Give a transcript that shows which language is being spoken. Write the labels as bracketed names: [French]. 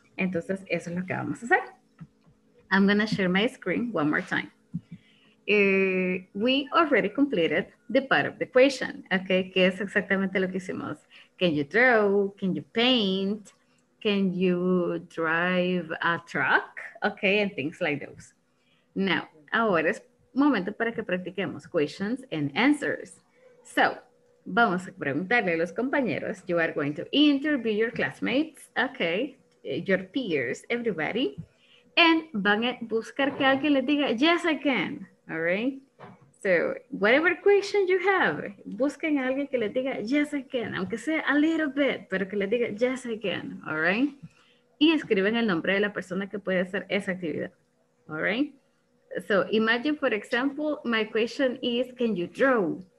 [Spanish] Entonces, eso es lo que vamos a hacer. [English] I'm gonna share my screen one more time. We already completed the part of the question, okay? [Spanish] Que es exactamente lo que hicimos. [English] Can you draw? Can you paint? Can you drive a truck? Okay, and things like those. [Spanish] Now, ahora es momento para que practiquemos [English] questions and answers. So, [Spanish] vamos a preguntarle a los compañeros. [English] You are going to interview your classmates, okay, your peers, everybody, and [Spanish] van a buscar que alguien les diga, [English] yes, I can, all right? So, whatever question you have, [Spanish] busquen a alguien que le diga, [English] yes, I can. [Spanish] Aunque sea [English] a little bit, [Spanish] pero que le diga, [English] yes, I can. All right? [Spanish] Y escriben el nombre de la persona que puede hacer esa actividad. [English] All right? So, imagine, for example, my question is, can you draw?